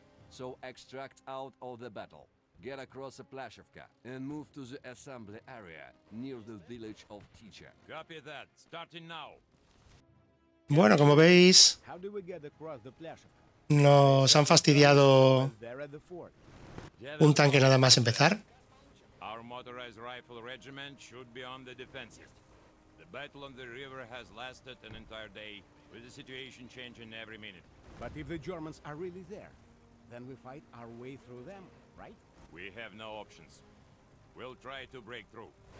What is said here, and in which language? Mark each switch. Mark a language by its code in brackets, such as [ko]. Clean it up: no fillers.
[en] So extract out of the battle. Get across the Plashevka and move to the assembly area near the village of Teacher. Copy that. Starting now. [es] Bueno, como veis, nos han fastidiado un tanque nada más empezar. [en] Our motorized rifle regiment should be on the defensive. The battle on the river has lasted an entire day, with the situation changing every minute. But if the Germans are really there, then we fight our way through them, right? We have no options. We'll try to break through.